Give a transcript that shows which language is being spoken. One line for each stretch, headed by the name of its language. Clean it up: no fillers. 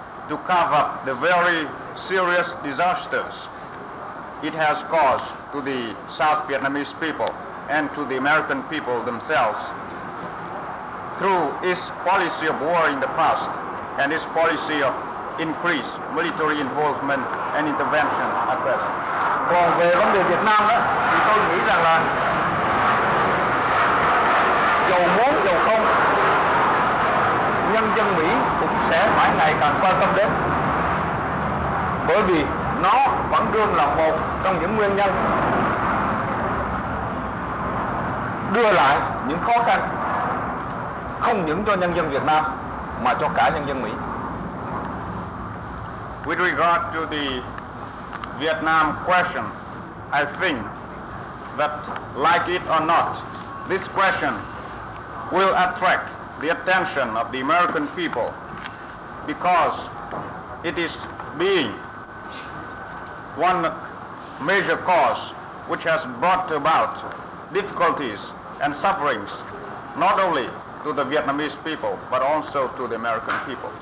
English: to cover up the very serious disasters it has caused to the South Vietnamese people and to the American people themselves through its policy of war in the past and its policy of increased military involvement and intervention at present.
Vietnamese: Còn về vấn đề Việt Nam đó, thì tôi nghĩ rằng là dầu muốn dầu không, nhân dân Mỹ cũng sẽ phải ngày càng quan tâm đến, bởi vì nó vẫn luôn là một trong những nguyên nhân đưa lại những khó khăn không những cho nhân dân Việt Nam mà cho cả nhân dân Mỹ.
English: With regard to the Vietnam question, I think that, like it or not, this question will attract the attention of the American people because it is being one major cause which has brought about difficulties and sufferings not only to the Vietnamese people but also to the American people.